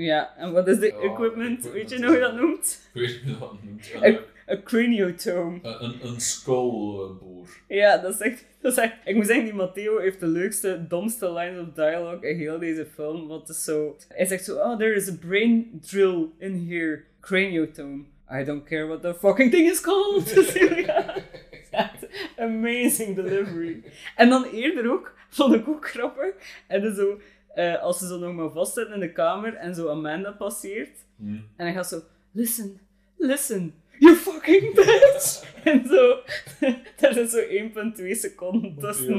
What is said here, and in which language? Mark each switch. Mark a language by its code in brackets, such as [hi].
[nl] Ja, en wat is de equipment? Weet je nog hoe dat noemt? Ik weet niet hoe dat noemt. Een craniotome. Een skullboor. Ja, dat is echt... Ik moet zeggen, die Matteo heeft de leukste, domste lines of dialogue in heel deze film. Wat is zo... Hij zegt zo, [en] oh, there is a brain drill in here. [nl] Craniotome. [en] I don't care what the fucking thing is called. Amazing delivery. [nl] En dan eerder ook, vond ik ook grappig. En dan zo, als ze zo nog maar vastzitten in de kamer en zo Amanda passeert. Mm. En hij gaat zo, [en] listen. You fucking bitch! [nl] En zo. Dat is zo 1,2 seconden tussen.